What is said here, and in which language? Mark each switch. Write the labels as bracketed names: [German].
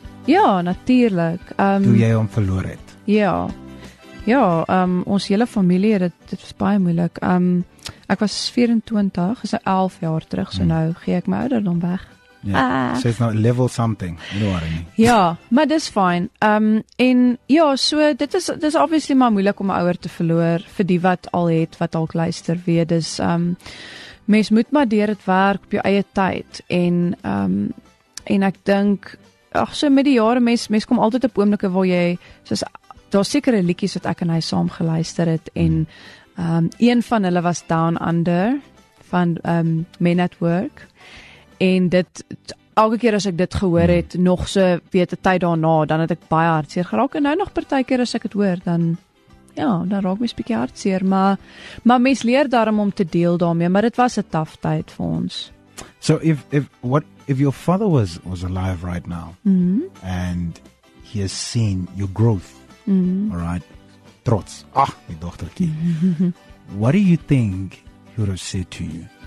[Afrikaans] Ja, natuurlik. Toe jy hom verloor het. Ja. Ja, ons hele familie, dit was baie moeilik. Ek was 24, is 11 jaar terug, so nou gee ek my ouderdom weg. [English] Yeah. So it's not level something, you know what I mean. [Afrikaans] Ja, maar dis fyn. En ja, so dit is obviously maar moeilik om 'n ouer te verloor, vir die wat al het, wat al luister weet, dis mens moet maar deur dit werk op jou eie tyd en ek dink, ag so met die jare, mens kom altyd op oomblikke waar jy, soos daar sekere liedjies wat ek en hy saam geluister het en een van hulle was Down Under van Men at Work. En dit, elke keer as ek dit gehoor het, nog so weet die tyd daarna, dan het ek baie hartseer geraak. En nou nog partykeer as ek het hoor, dan, ja, dan raak mys bietjie hartseer. Maar mens leer daarom om te deel daarmee, maar dit was 'n tough tyd vir ons. [English] So if your father was alive right now, and he has seen your growth, all right, [Afrikaans] trots, ah, my dochterkie, [English] what do you think he would have said to you?